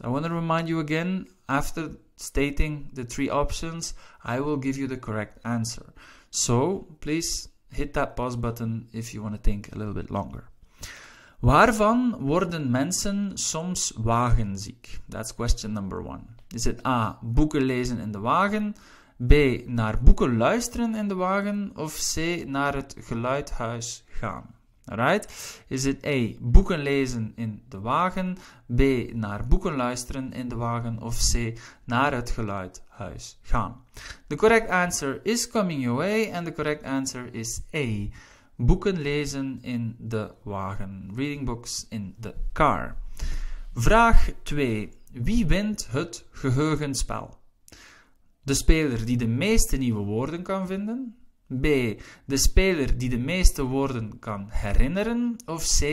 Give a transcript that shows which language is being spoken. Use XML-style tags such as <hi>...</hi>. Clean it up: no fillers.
<en>I want to remind you again, after stating the three options, I will give you the correct answer. So please hit that pause button if you want to think a little bit longer.</en> <nl>Waarvan worden mensen soms wagenziek?</nl> <en>That's question number one. Is it A,</en> <nl>boeken lezen in de wagen? B, naar boeken luisteren in de wagen? Of C, naar het geluidhuis gaan? Alright?</nl> <en>Is it A,</en> <nl>boeken lezen in de wagen? B, naar boeken luisteren in de wagen? Of C, naar het geluidhuis gaan?</nl> <en>The correct answer is coming your way and the correct answer is A.</en> <nl>Boeken lezen in de wagen.</nl> <en>Reading books in the car.</en> <nl>Vraag 2. Wie wint het geheugenspel? De speler die de meeste nieuwe woorden kan vinden. B. De speler die de meeste woorden kan herinneren. Of C.</nl>